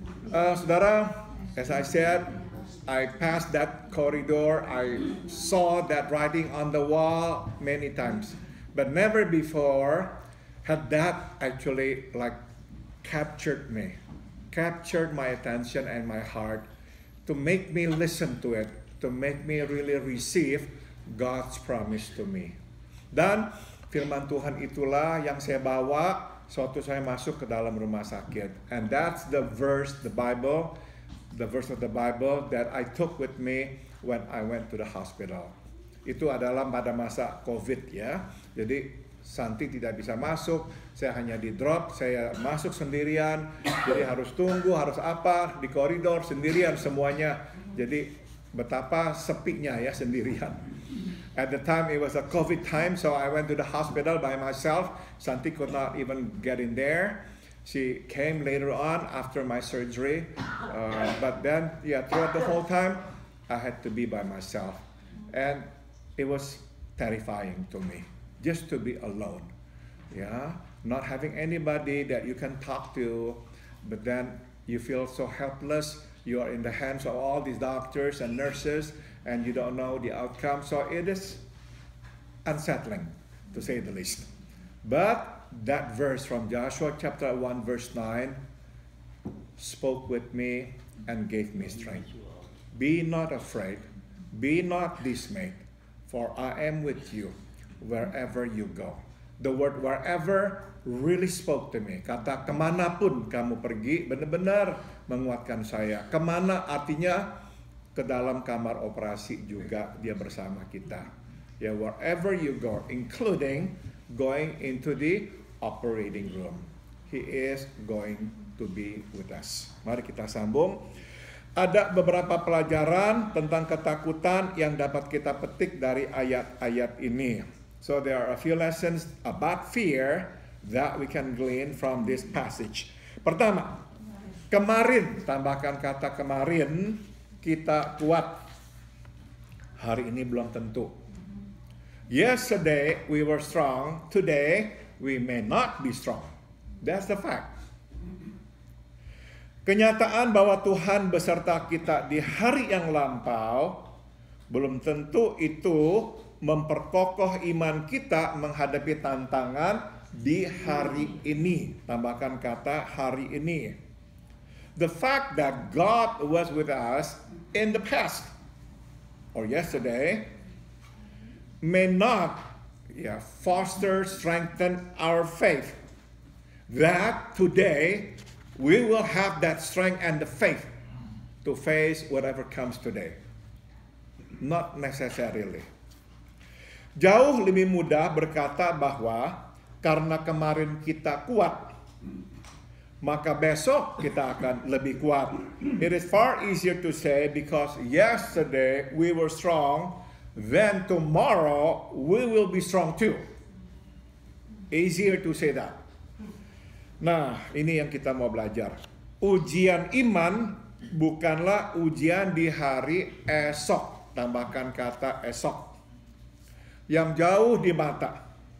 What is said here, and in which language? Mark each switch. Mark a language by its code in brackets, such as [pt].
[en] Saudara, as I said, I passed that corridor, I saw that writing on the wall many times, but never before had that actually like captured my attention and my heart to make me listen to it, to make me really receive God's promise to me. [id] Dan firman Tuhan itulah yang saya bawa suatu saya masuk ke dalam rumah sakit. [en] And that's the verse, the verse of the Bible that I took with me when I went to the hospital. [id] Itu adalah pada masa COVID ya. Jadi Santi tidak bisa masuk, saya hanya di drop, saya masuk sendirian, jadi harus tunggu, harus apa, di koridor, sendirian semuanya. Jadi betapa sepinya ya sendirian. [en] At the time it was a COVID time, so I went to the hospital by myself. Santi could not even get in there. She came later on after my surgery. But then, yeah, throughout the whole time, I had to be by myself. And it was terrifying to me. Just to be alone, yeah, not having anybody that you can talk to, but then you feel so helpless. You are in the hands of all these doctors and nurses, and you don't know the outcome. So it is unsettling, to say the least. But that verse from Joshua chapter 1 verse 9 spoke with me and gave me strength. Be not afraid, be not dismayed, for I am with you wherever you go. The word wherever really spoke to me. [id] Kata kemanapun kamu pergi benar-benar menguatkan saya. Kemana artinya ke dalam kamar operasi juga Dia bersama kita. [en] Ya, yeah, wherever you go, including going into the operating room, He is going to be with us. [id] Mari kita sambung. Ada beberapa pelajaran tentang ketakutan yang dapat kita petik dari ayat-ayat ini. [en] So there are a few lessons about fear that we can glean from this passage. [id] Pertama, kemarin, tambahkan kata kemarin, kita kuat. Hari ini belum tentu. [en] Yesterday we were strong, today we may not be strong. That's the fact. [id] Kenyataan bahwa Tuhan beserta kita di hari yang lampau, belum tentu itu memperkokoh iman kita menghadapi tantangan di hari ini. Tambahkan kata hari ini. [en] The fact that God was with us in the past or yesterday may not foster, strengthen our faith that today we will have that strength and the faith to face whatever comes today. Not necessarily. [id] Jauh lebih mudah berkata bahwa karena kemarin kita kuat, maka besok kita akan lebih kuat. [en] It is far easier to say because yesterday we were strong, then tomorrow we will be strong too. Easier to say that. [id] Nah, ini yang kita mau belajar. Ujian iman bukanlah ujian di hari esok. Tambahkan kata esok. Yang jauh di mata.